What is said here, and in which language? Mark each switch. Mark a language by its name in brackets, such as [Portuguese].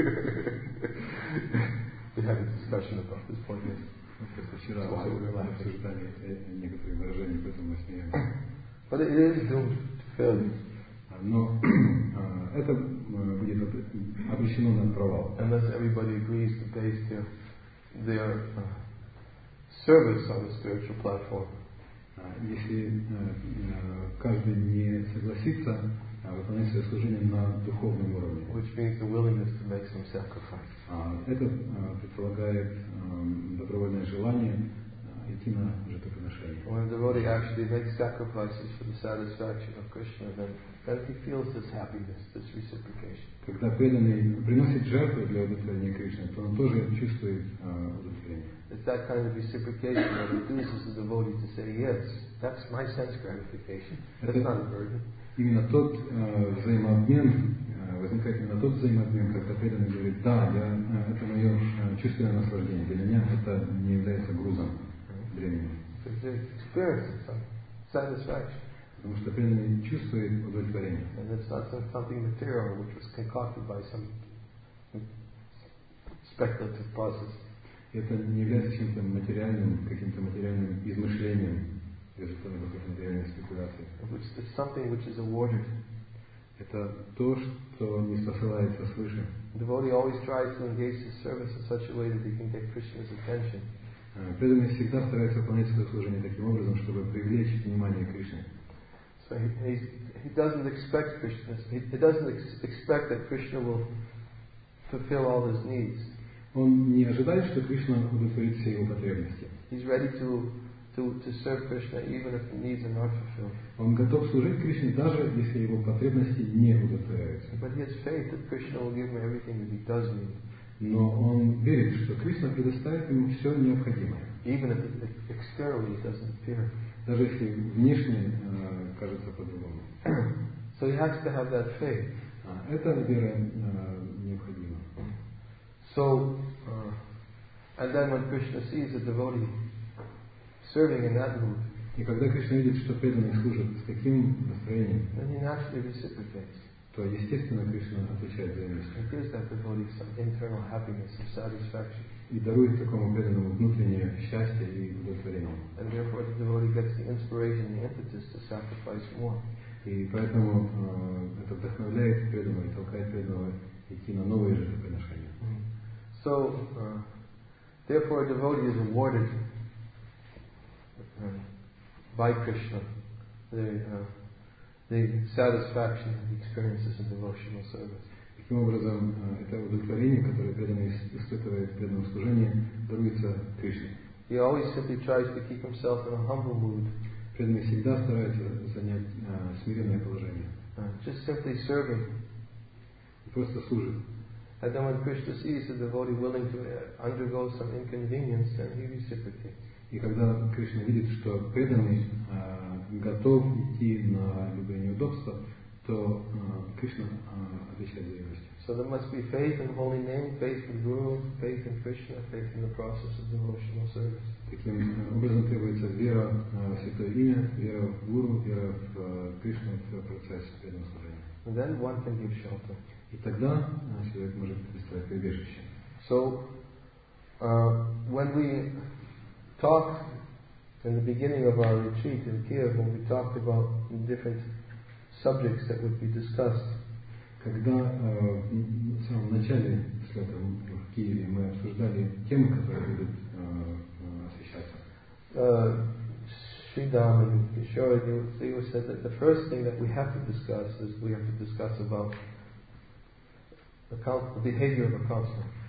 [English] We had a discussion about this point yesterday. [Russian] Вчера мы обсуждали некоторые выражения, поэтому мы смеемся. [English] But it is doomed to failure. [Russian] Но это будет обречено на провал. [English] Unless everybody agrees to base their service on a spiritual platform. [Russian] Если каждый не согласится выполнять свое служение на духовном уровне. [English] Which means the willingness to make some sacrifice. [Russian] Это предполагает добровольное желание идти на жертвоприношение. [English] When a devotee actually makes sacrifices for the satisfaction of Krishna, then he feels this happiness, this reciprocation. [Russian] Когда преданный приносит жертву для удовлетворения Кришны, то он тоже чувствует удовлетворение. [English] It's that kind of reciprocation that induces the devotee to say, yes, that's my sense gratification. That's not a burden. [Russian] Именно тот взаимообмен, возникает именно тот взаимообмен, когда преданный говорит, да, это мое чувственное наслаждение, для меня это не является грузом бременем. Потому что преданный чувствует удовлетворение. [English] And it's not something material which was concocted by some speculative process. [Russian] Это не является каким-то материальным измышлением. [English] It's something which is awarded. [Russian] Это то, что не сосылается свыше. [English] Devotee always tries to engage his service in such a way that he can get Krishna's attention. [Russian] Преданный всегда старается выполнять свое служение таким образом, чтобы привлечь внимание Кришны. [English] So he doesn't expect Krishna. He doesn't expect that Krishna will fulfill all his needs. [Russian] Он не ожидает, что Кришна удовлетворит все его потребности. [English] He's ready to serve Krishna even if the needs are not fulfilled. [Russian] Он готов служить Кришне даже если его потребности не удовлетворяются. [English] But he has faith that Krishna will give him everything that he does need. [Russian] Но он верит, что Кришна предоставит ему все необходимое. [English] Even if externally it doesn't appear. [Russian] Даже если внешне кажется по-другому. [English] So he has to have that faith. [Russian] Это вера необходима. [English] So and then when Krishna sees a devotee serving in that mood, [Russian] и когда Кришна видит, что преданный служит с таким настроением, [English] then he naturally reciprocates. [Russian] То естественно Кришна отвечает взаимностью. [English] And gives that devotee some internal happiness and satisfaction. [Russian] И дарует такому преданному внутреннее счастье и удовлетворение. [English] And therefore the devotee gets the inspiration, the impetus to sacrifice more. [Russian] И поэтому это вдохновляет преданного и толкает преданного идти на новые жертвоприношения. [English] So therefore a devotee is awarded by Krishna the satisfaction and experiences in devotional service. [Russian] Таким образом, это удовлетворение, которое преданный испытывает в преданном служении, даруется Кришне. [English] He always simply tries to keep himself in a humble mood. [Russian] Преданный всегда старается занять смиренное положение. [English] Just simply serving. [Russian] Просто служит. [English] And then when Krishna sees the devotee willing to undergo some inconvenience, then he reciprocates. [Russian] И когда Кришна видит, что преданный готов идти на любые неудобства, то Кришна отвечает взаимностью. [English] So there must be faith in holy name, faith in Guru, faith in Krishna, faith in the process of devotional service. [Russian] Таким образом требуется вера в святое имя, вера в Гуру, вера в Кришну, в процесс преданного служения. [English] And then one can give shelter. [Russian] И тогда человек может представить прибежище. [English] So when we talk in the beginning of our retreat in Kiev, when we talked about different subjects that would be discussed. [Russian] Когда в самом начале света в Киеве мы обсуждали темы, которые будут освещаться. [English] Shridhama and Kishore, they said that the first thing that we have to discuss is we have to discuss about the behavior of a counselor.